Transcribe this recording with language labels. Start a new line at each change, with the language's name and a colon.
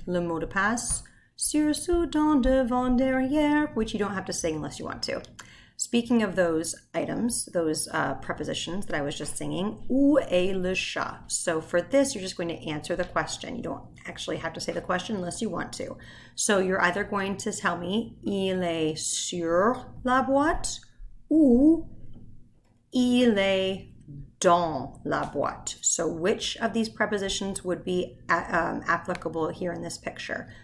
French: Le mot de passe, sur, sous, dans, devant, derrière,
English: which you don't have to sing unless you want to. Speaking of those items, those prepositions that I was just singing,
French: où est le chat?
English: So for this, you're just going to answer the question. You don't actually have to say the question unless you want to. So you're either going to tell me,
French: il est sur la boîte,
English: ou il est dans la boîte. So which of these prepositions would be applicable here in this picture?